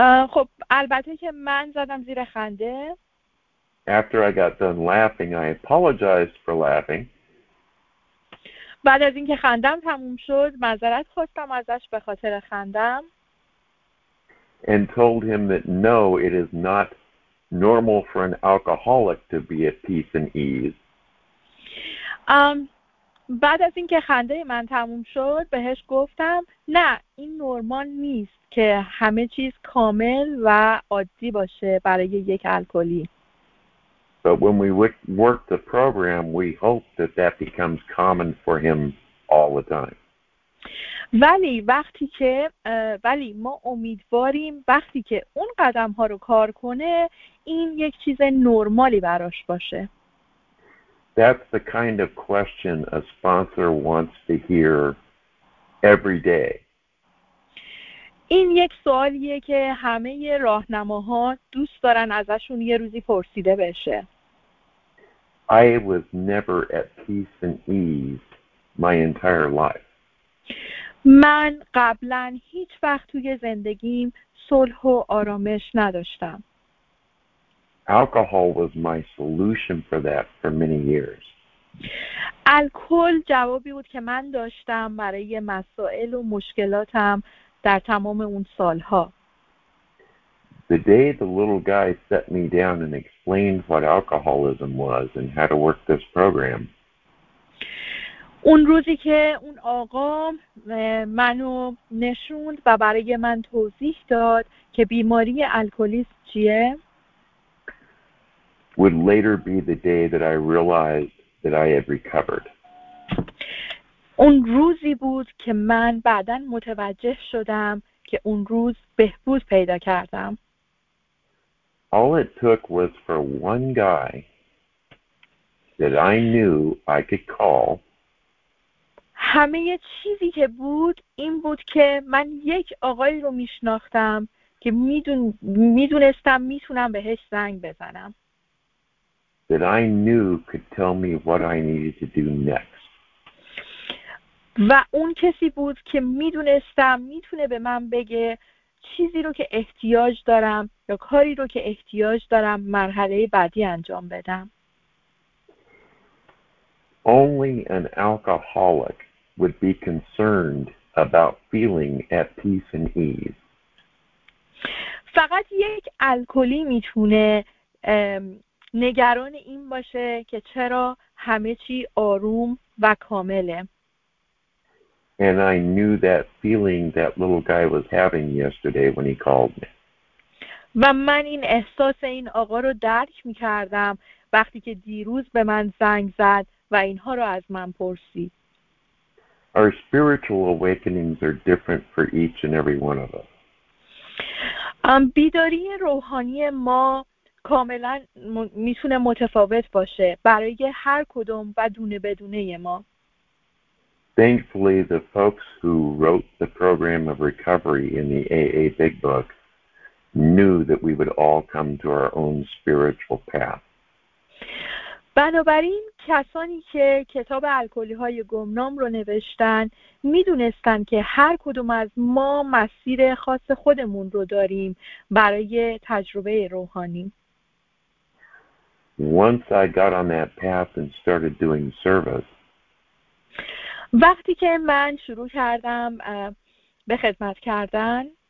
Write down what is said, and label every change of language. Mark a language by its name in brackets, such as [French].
[Persian] خب البته که من زدم زیر خنده. [English] After I got done laughing, I apologized for laughing. [Persian] بعد از اینکه خندم تموم شد، معذرت خواستم ازش به خاطر خندم. [English] And told him that no, it is not normal for an alcoholic to be at peace and ease. [Persian] بعد از اینکه خنده من تموم شد، بهش گفتم نه، این نرمال نیست که همه چیز کامل و عادی باشه برای یک الکلی. [English] But when we work the program, we hope that that becomes common for him all the time. [Persian] ولی وقتی که ما امیدواریم وقتی که اون قدم ها رو کار کنه این یک چیز نرمالی براش باشه. [English] that's the kind of question a sponsor wants to hear every day. [Persian] این یک سوالیه که همه راهنماها دوست دارن ازشون یه روزی پرسیده بشه. [English] I was never at peace and ease my entire life. [Persian] من قبلا هیچ وقت توی زندگیم صلح و آرامش نداشتم. [English] Alcohol was my solution for that for many years. [Persian] الکل جوابی بود که من داشتم برای مسائل و مشکلاتم در تمام اون سالها. [English] The day the little guy set me down and explained what alcoholism was and how to work this program. [Persian] اون روزی که اون آقا منو نشوند و برای من توضیح داد که بیماری الکلیسم چیه. [English] Would later be the day that I realized that I had recovered. [Persian] اون روزی بود که من بعداً متوجه شدم که اون روز بهبود پیدا کردم. [English] All it took was for one guy that I knew I could call. [Persian] همه چیزی که بود این بود که من یک آقایی رو میشناختم که میدونستم میتونم بهش زنگ بزنم. [English] That I knew could tell me what I needed to do next. [Persian] و اون کسی بود که میدونستم میتونه به من بگه چیزی رو که احتیاج دارم یا کاری رو که احتیاج دارم مرحله بعدی انجام بدم. [English] Only an alcoholic would be concerned about feeling at peace and ease. [Persian] فقط یک الکلی میتونه نگران این باشه که چرا همه چی آروم و کامله. [English] And I knew that feeling that little guy was having yesterday when he called me. [Persian] و من این احساس این آقا رو درک می‌کردم وقتی که دیروز به من زنگ زد و اینها رو از من پرسید. [English] Our spiritual awakenings are different for each and every one of us. [Persian] بیداری روحانی ما کاملا میتونه متفاوت باشه برای هر کدوم و دونه به دونه ما. [English] Thankfully, the folks who wrote the program of recovery in the AA Big Book knew that we would all come to our own spiritual path. [Persian] بنابراین کسانی که کتاب الکلی‌های گمنام رو نوشتن می‌دونستن که هر کدوم از ما مسیر خاص خودمون رو داریم برای تجربه روحانی. [English] Once I got on that path and started doing service, [Persian] وقتی که من شروع کردم به خدمت کردن